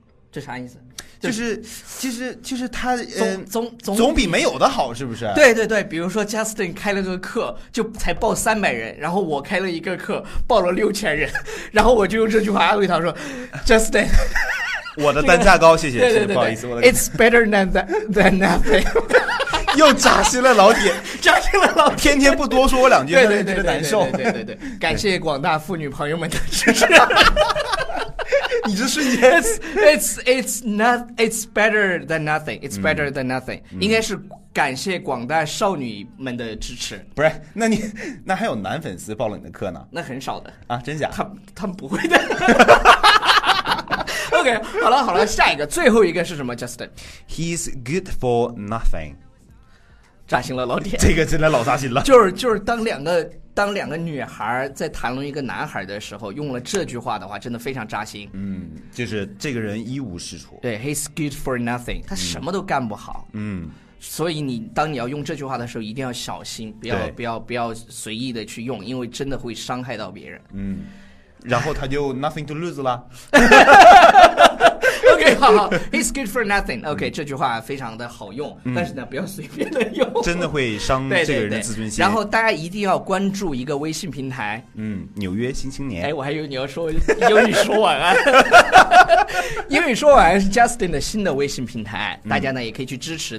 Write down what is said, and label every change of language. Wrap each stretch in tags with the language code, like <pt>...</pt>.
<zh>这啥意思？就是他总比没有的好，是不是？对对对，比如说 Justin 开了个课就才报300人，然后我开了一个课报了6000人，然后我就用这句话安慰他说Justin 我的单价高，谢谢。对对对对，不好意思，我的</zh> <en>It's better than nothing</en> <zh>又扎心了老铁扎心了老铁，天天不多说我两句让人觉得难受。对对对对，感谢广大妇女朋友们的支持你这瞬间</zh> <en>it's better than nothing. It's better than nothing.</en> <zh>应该是感谢广大少女们的支持。不是，那还有男粉丝报了你的课呢？那很少的啊，真假？他们不会的。 OK， 好了好了，下一个，最后一个是什么 ？Justin，</zh> <en>he's good for nothing。</en> <zh>扎心了，老铁，这个真的老扎心了。就是当两个女孩在谈论一个男孩的时候用了这句话的话，真的非常扎心。就是这个人一无是处。对，</zh> <en>he's good for nothing，</en> <zh>他什么都干不好。所以当你要用这句话的时候一定要小心，不要随意的去用，因为真的会伤害到别人。然后他就</zh> <en>nothing to lose</en> <zh>了。 OK， 好</zh> <en>he's good for nothing。</en> <zh>OK， 这句话非常的好用，但是呢不要随便的用，真的会伤这个人的自尊心。对对对。然后大家一定要关注一个微信平台，纽约新青年。哎，我还以为你要说英语说晚安。英语说晚安是 Justin 的新的微信平台，大家呢也可以去支持。</zh>